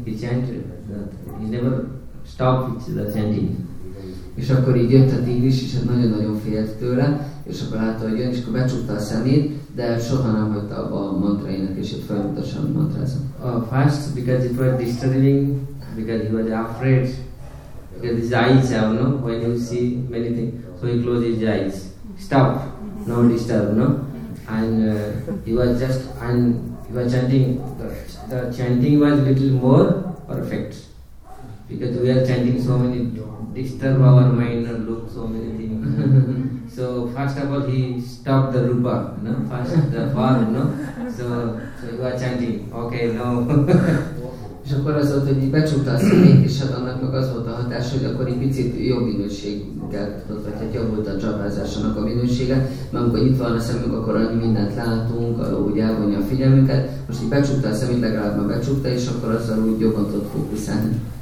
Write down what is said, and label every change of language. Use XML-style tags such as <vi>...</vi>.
<en>He chanted that he never stopped the chanting.</en> <hu>És akkor így jött a tigris, és nagyon-nagyon félt tőle, és akkor látta, hogy jön, és akkor becsukta a szemét, de soha nem hagyta abba a mantra énekését, folyamatosan mantrázott.</hu> <en>First, because it was disturbing, because he was afraid. Because his eyes have, no? When you see many things, so he closed his eyes. Stop, no disturb, no? And he was chanting. The chanting was little more perfect. Because we are chanting so many, disturb our mind and look so many things. So first of all, he stopped the rupa, no? First the form, no? So he was chanting, okay, no.</en> <hu>És akkor az volt, hogy így becsukta a szemét, és hát annak meg az volt a hatás, hogy akkor egy picit jobb minőséggel tudott, vagy hát jobb volt a dzsabázásának a minősége, mert amikor itt van a szemünk, akkor annyi mindent látunk, úgy elvonja a figyelmünket, most így becsukta a szemét, legalább már becsukta, és akkor azzal úgy jobban tudott fókuszálni.</hu>